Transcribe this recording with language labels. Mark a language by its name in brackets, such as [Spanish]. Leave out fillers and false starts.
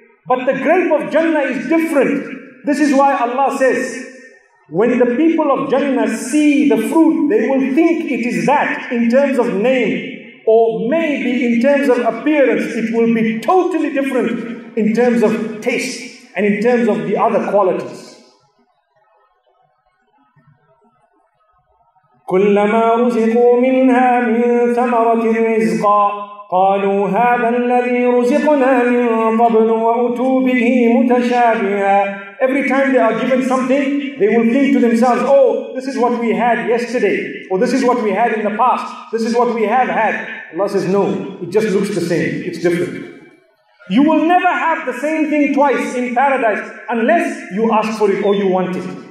[English] But the grape of Jannah is different. This is why Allah says, when the people of Jannah see the fruit, they will think it is that in terms of name. Or maybe in terms of appearance, it will be totally different in terms of taste and in terms of the other qualities. [Arabic] كلما رزقوا منها من ثمرة رزقا قالوا هذا الذي رزقنا من قبل وأتوا به متشابها. [English] Every time they are given something, they will think to themselves, oh, this is what we had yesterday, or this is what we had in the past, this is what we have had. Allah says, no, it just looks the same, it's different. You will never have the same thing twice in paradise unless you ask for it or you want it.